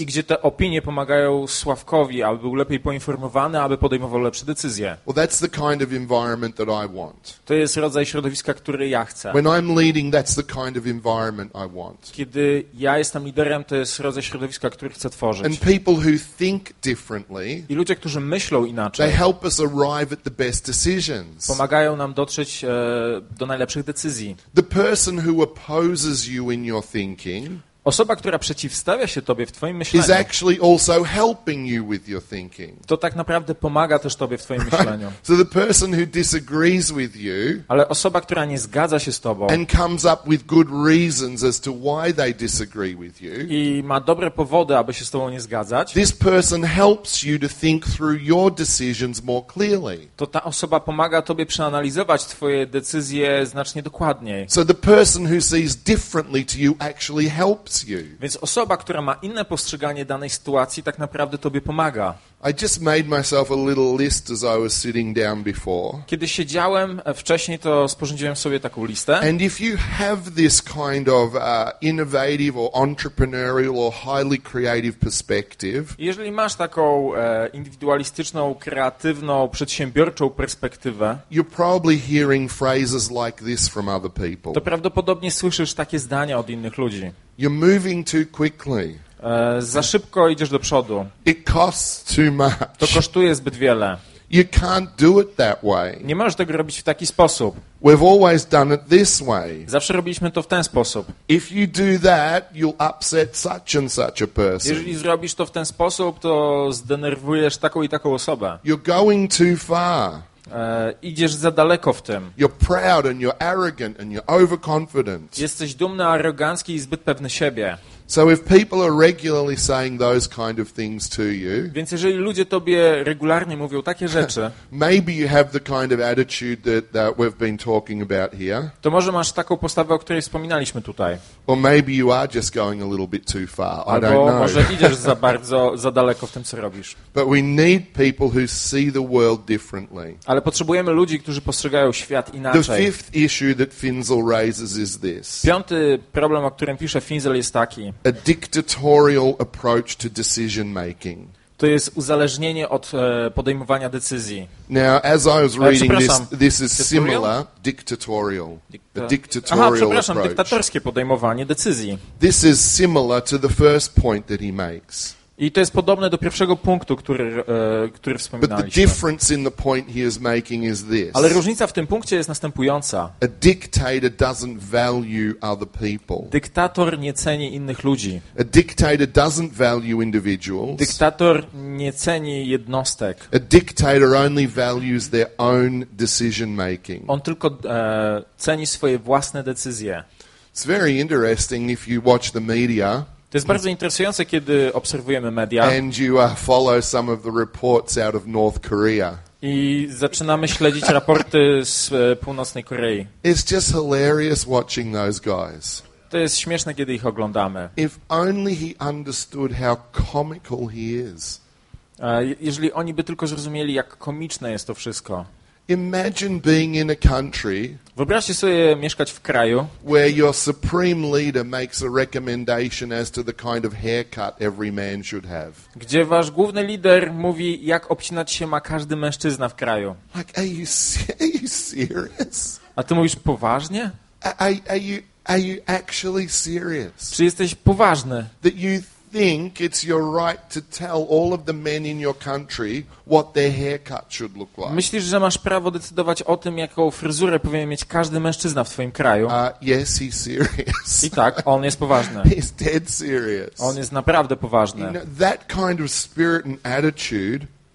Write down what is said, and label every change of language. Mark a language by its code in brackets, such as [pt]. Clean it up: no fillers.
[pl] I gdzie te opinie pomagają Sławkowi, aby był lepiej poinformowany, aby podejmował lepsze decyzje. [en] Well, that's the kind of environment that I want. [pl] To jest rodzaj środowiska, który ja chcę. [en] When I'm leading, that's the kind of environment I want. [pl] Kiedy ja jestem liderem, to jest rodzaj środowiska, który chcę tworzyć. [en] And people who think differently, [pl] i ludzie, którzy myślą inaczej, [en] they help us arrive at the best decisions. [pl] Pomagają nam dotrzeć do najlepszych decyzji. [en] The person who opposes you in your thinking, [pl] osoba, która przeciwstawia się tobie w twoim myśleniu, [en] is actually also helping you with your thinking. [pl] To tak naprawdę pomaga też tobie w twoim myśleniu. [en] So the person who disagrees with you, [pl] ale osoba, która nie zgadza się z tobą, [en] and comes up with good reasons as to why they disagree with you, [pl] i ma dobre powody, aby się z tobą nie zgadzać, [en] this person helps you to think through your decisions more clearly. [pl] To ta osoba pomaga tobie przeanalizować twoje decyzje znacznie dokładniej. [en] So the person who sees differently to you actually helps. [pl] Więc osoba, która ma inne postrzeganie danej sytuacji, tak naprawdę tobie pomaga. [en] I just made myself a little list as I was sitting down before. [pl] Kiedy siedziałem wcześniej, to sporządziłem sobie taką listę. [en] And if you have this kind of innovative or entrepreneurial or highly creative perspective, [pl] jeżeli masz taką indywidualistyczną, kreatywną, przedsiębiorczą perspektywę, [en] you're probably hearing phrases like this from other people. [pl] To prawdopodobnie słyszysz takie zdania od innych ludzi. [en] You're moving too quickly. [pl] Za szybko idziesz do przodu. [en] It costs too much. [pl] To kosztuje zbyt wiele. [en] You can't do it that way. [pl] Nie możesz tego robić w taki sposób. [en] We've always done it this way. [pl] Zawsze robiliśmy to w ten sposób. [en] If you do that, you'll upset such and such a person. [pl] Jeżeli zrobisz to w ten sposób, to zdenerwujesz taką i taką osobę. [en] You're going too far. [pl] Idziesz za daleko w tym. [en] You're proud and you're arrogant and you're overconfident. [pl] Jesteś dumny, arogancki i zbyt pewny siebie. [en] So if people are regularly saying those kind of things to you, [pl] więc jeżeli ludzie tobie regularnie mówią takie rzeczy, [en] maybe you have the kind of attitude that we've been talking about here. [pl] To może masz taką postawę, o której wspominaliśmy tutaj. [en] Or maybe you are just going a little bit too far. [pl] Albo [en] I don't know. [pl] Może idziesz za bardzo, za daleko w tym, co robisz. [en] But we need people who see the world differently. [pl] Ale potrzebujemy ludzi, którzy postrzegają świat inaczej. [en] The fifth issue that Finzel raises is this. [pl] Piąty problem, o którym pisze Finzel, jest taki. [en] A dictatorial approach to decision making. [pl] To jest uzależnienie od podejmowania decyzji. [en] Now, as I was reading this is similar, dictatorial. Dictatorial approach. [pl] Aha, przepraszam, dyktatorskie podejmowanie decyzji. [en] This is similar to the first point that he makes. [pl] I to jest podobne do pierwszego punktu, który wspominaliśmy. [en] But the difference in the point he is making is this. [pl] Ale różnica w tym punkcie jest następująca. [en] A dictator doesn't value other people. [pl] Dyktator nie ceni innych ludzi. [en] A dictator doesn't value individuals. [pl] Dyktator nie ceni jednostek. [en] A dictator only values their own decision making. [pl] On tylko ceni swoje własne decyzje. [en] It's very interesting if you watch the media. [pl] To jest bardzo interesujące, kiedy obserwujemy media. [en] And you follow some of the reports out of North Korea. [pl] I zaczynamy śledzić raporty z Północnej Korei. [en] It's just hilarious watching those guys. [pl] To jest śmieszne, kiedy ich oglądamy. [en] If only he understood how comical he is. [pl] Jeżeli oni by tylko zrozumieli, jak komiczne jest to wszystko. [en] Imagine being in a country. [pl] Wyobraźcie sobie mieszkać w kraju, [en] where your supreme leader makes a recommendation as to the kind of haircut every man should have. [pl] Gdzie wasz główny lider mówi, jak obcinać się ma każdy mężczyzna w kraju. [en] Like, are you serious? [pl] A ty mówisz poważnie? [en] Are you actually serious? [pl] Czy jesteś poważny? [en] That you think it's your right to tell all of the men in your country what their haircut should look like. [pl] Myślisz, że masz prawo decydować o tym, jaką fryzurę powinien mieć każdy mężczyzna w twoim kraju? [en] Yes, he's serious. [pl] I tak, on jest poważny. [en] He's dead serious. [pl] On jest naprawdę poważny. [en] You know, that kind of spirit and attitude,